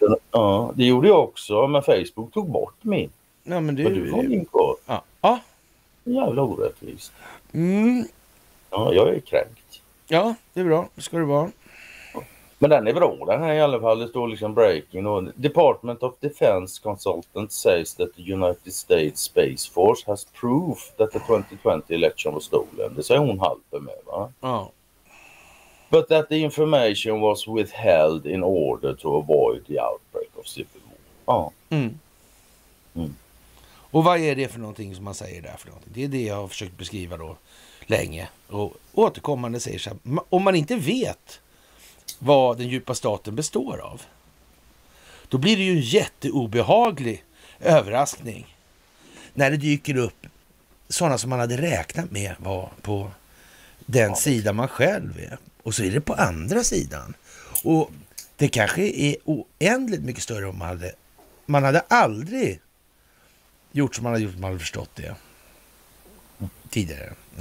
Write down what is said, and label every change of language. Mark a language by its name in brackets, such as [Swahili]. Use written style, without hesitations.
[Swedish] Ja, det gjorde jag också, men Facebook tog bort min. Ja, men det är ju... Du har min kvar. Ja. Ja. Jävla orättvist. Mm. Ja, jag är kränkt. Ja, det är bra. Det ska det vara. Men den är bra, den här i alla fall, det står liksom breaking. [English] Och Department of Defense consultant says that the United States Space Force has proof that the 2020 election was stolen. [Swedish] Det säger hon halper med, va? Ja. [English] But that the information was withheld in order to avoid the outbreak of civil war. [Swedish] Ja. Mm. Och vad är det för någonting som man säger där för någonting? Det är det jag har försökt beskriva då länge. Och återkommande säger så här, om man inte vet vad den djupa staten består av, då blir det ju en jätteobehaglig överraskning när det dyker upp sådana som man hade räknat med var på den sida man själv är, och så är det på andra sidan, och det kanske är oändligt mycket större om man hade aldrig gjort som man hade gjort, man hade förstått det tidigare.